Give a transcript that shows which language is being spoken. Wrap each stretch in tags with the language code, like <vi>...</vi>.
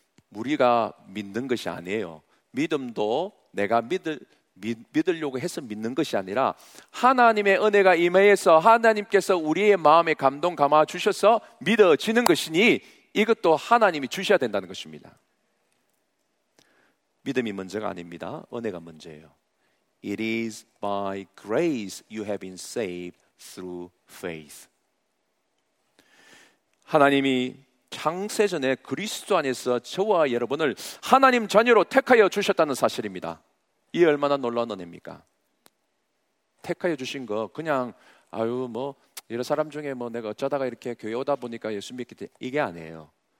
<ko>우리가 믿는 것이 아니에요. 믿음도 내가 믿으려고 해서 믿는 것이 아니라 하나님의 은혜가 임해서 하나님께서 우리의 마음에 감동 감아 주셔서 믿어지는 것이니 이것도 하나님이 주셔야 된다는 것입니다. 믿음이 문제가 아닙니다. 은혜가 문제예요.</ko> <en>It is by grace you have been saved through faith.</en> <ko>하나님이 창세전에 그리스도 안에서 저와 여러분을 하나님 자녀로 택하여 주셨다는 사실입니다. 이 얼마나 놀라운 은혜입니까? 택하여 주신 거 그냥 아유 뭐 이런 사람 중에 뭐 내가 어쩌다가 이렇게 교회 오다 보니까 예수 믿게 돼 이게 아니에요.</ko>